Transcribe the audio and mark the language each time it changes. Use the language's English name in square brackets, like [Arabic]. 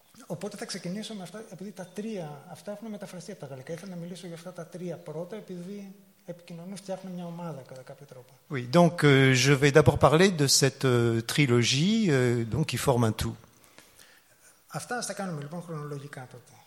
[Greek] Οπότε θα ξεκινήσω με αυτά, επειδή τα τρία αυτά έχουν μεταφραστεί από τα γαλλικά. Ήθελα να μιλήσω για αυτά τα τρία πρώτα, επειδή επικοινωνούν, φτιάχνουν μια ομάδα κατά κάποιο τρόπο. [French] Oui, donc je vais d'abord parler de cette trilogie donc qui forme un tout. [Greek] Αυτά θα τα κάνουμε λοιπόν χρονολογικά τότε.